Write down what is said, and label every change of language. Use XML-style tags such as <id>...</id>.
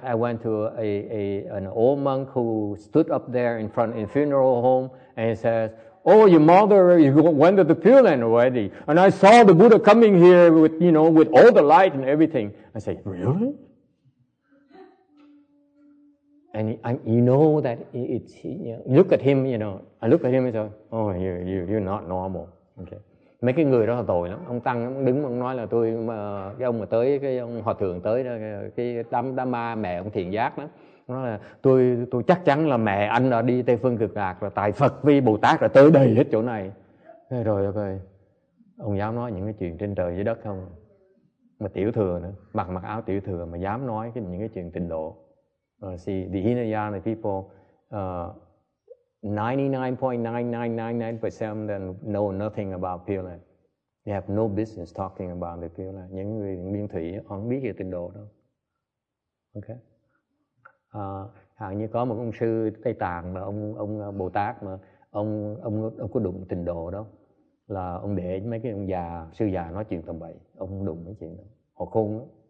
<en>I went to an old monk who stood up there in front in funeral home and he says, "Oh, your mother went to the Pure Land already, and I saw the Buddha coming here with, you know, with all the light and everything." I say, "Really?" And you know that it's, you know, look at him, you know. I look at him and say, "Oh, you're not normal." Okay.</en> <vi>Mấy cái người đó là tội lắm. Ông tăng ông đứng ông nói là tôi mà cái ông mà tới cái ông hòa thượng tới đó, cái đám ma mẹ ông Thiện Giác đó. Nó là tôi chắc chắn là mẹ anh đã đi Tây Phương Cực Lạc rồi, tại Phật vi Bồ Tát là tới đầy hết chỗ này. Thế rồi okay. Ông dám nói những cái chuyện trên trời dưới đất không? Mà tiểu thừa nữa, mặc áo tiểu thừa mà dám nói cái những cái chuyện tịnh độ.</vi> <en>See, the Hinayana people, 99.9999% then know nothing about Pure Land. They have no business talking about the Pure Land.</en> <vi>Những người biên thủy không biết về tịnh độ đâu. Okay. Hàng như có một ông sư Tây Tạng mà ông Bồ Tát mà ông có đụng tình độ đó, là ông để mấy cái ông già sư già nói chuyện tầm bậy, ông đụng mấy chuyện đó, họ khôn đó.</vi>